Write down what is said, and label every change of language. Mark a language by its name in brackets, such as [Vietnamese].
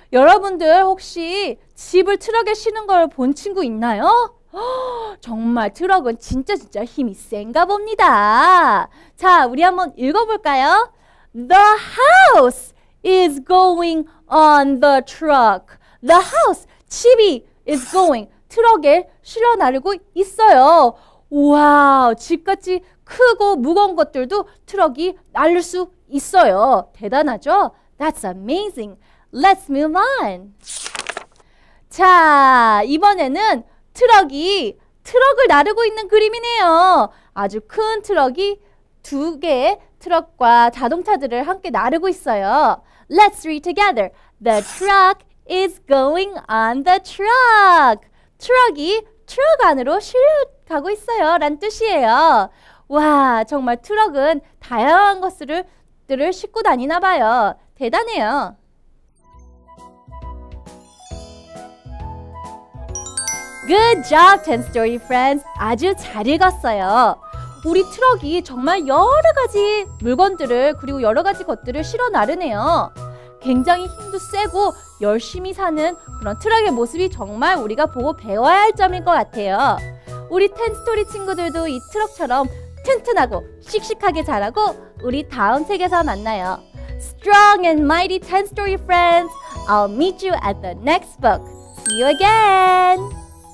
[Korean] 여러분들 혹시 집을 트럭에 실은 걸 본 친구 있나요? 정말 트럭은 진짜 힘이 센가 봅니다. 자, 우리 한번 읽어볼까요? [English] The house is going on the truck. The house, [Korean] 집이 [English] is going, [Korean] 트럭에 실어 나르고 있어요. 와우, 집같이 크고 무거운 것들도 트럭이 날릴 수 있어요. 대단하죠? [English] That's amazing. Let's move on. [Korean] 자, 이번에는 트럭이 트럭을 나르고 있는 그림이네요. 아주 큰 트럭이 두 개의 트럭과 자동차들을 함께 나르고 있어요. [English] Let's read together. The truck is going on the truck. [Korean] 트럭이 트럭 안으로 실려 가고 있어요. 라는 뜻이에요. 와, 정말 트럭은 다양한 것들을 싣고 다니나 봐요. 대단해요. 굿 job, 10 story friends. 아주 잘 읽었어요. 우리 트럭이 정말 여러 가지 물건들을 그리고 여러 가지 것들을 실어 나르네요. 굉장히 힘도 세고 열심히 사는 그런 트럭의 모습이 정말 우리가 보고 배워야 할 점일 것 같아요. 우리 10 story 친구들도 이 트럭처럼 튼튼하고 씩씩하게 자라고 우리 다음 책에서 만나요. [English] Strong and mighty 10 story friends. I'll meet you at the next book. See you again.